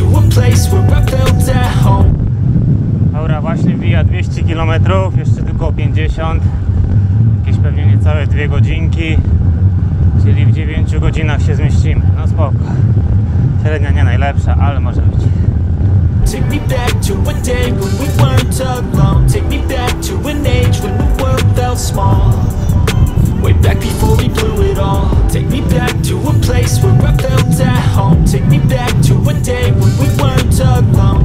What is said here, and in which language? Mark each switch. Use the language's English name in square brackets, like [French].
[English] place where I felt at home. [Polish] Dobra, właśnie wija 200 km, jeszcze tylko 50. Jakieś pewnie niecałe 2 godzinki. Czyli w 9 godzinach się zmieścimy. No spoko. Średnia nie najlepsza, ale może być. [English] Take me back to a day when we weren't alone. Take me back to an age when the world felt small. Way back before we blew it all. Take me back to a place where I felt at home. Take me back to a day when we weren't alone.